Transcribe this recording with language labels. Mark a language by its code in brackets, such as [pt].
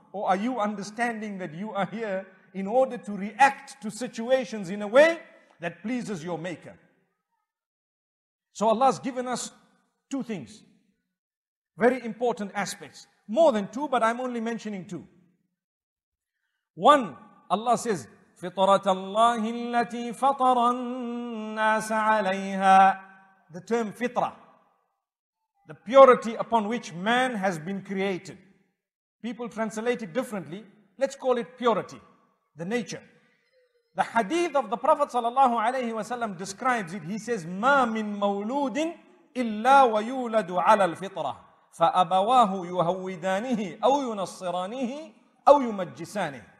[en] Or are you understanding that you are here in order to react to situations in a way that pleases your maker? So Allah has given us two things. Very important aspects. More than two, but I'm only mentioning two. One, Allah says, [ar] فِطْرَةَ اللَّهِ الَّتِي فَطَرَ النَّاسَ عَلَيْهَا. [en] The term fitrah, the purity upon which man has been created. People translate it differently. Let's call it purity, the nature. The hadith of the Prophet sallallahu alayhi wa sallam describes it. He says, [ar] مَا مِن مَوْلُودٍ إِلَّا وَيُولَدُ عَلَى الْفِطْرَةِ فَأَبَوَاهُ يُهَوِّدَانِهِ أَوْ يُنَصِّرَانِهِ أَوْ يُمَجِّسَانِهِ.